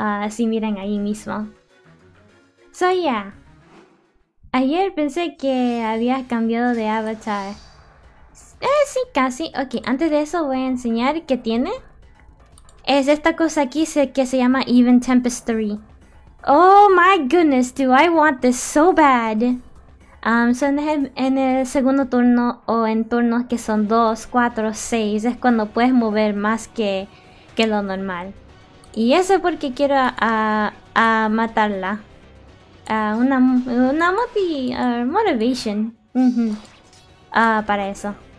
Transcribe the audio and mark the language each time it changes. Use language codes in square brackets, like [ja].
[es] Si miran ahí mismo. [en] So yeah. [es] Ayer pensé que habías cambiado de avatar. Sí, casi. Ok, antes de eso voy a enseñar qué tiene. Es esta cosa aquí que se llama Even Tempest 3. [en] Oh my goodness, do I want this so bad. [es] Son en el segundo turno o en turnos que son 2, 4, 6. Es cuando puedes mover más que lo normal. Y eso es porque quiero a matarla. Una motivation. Para eso.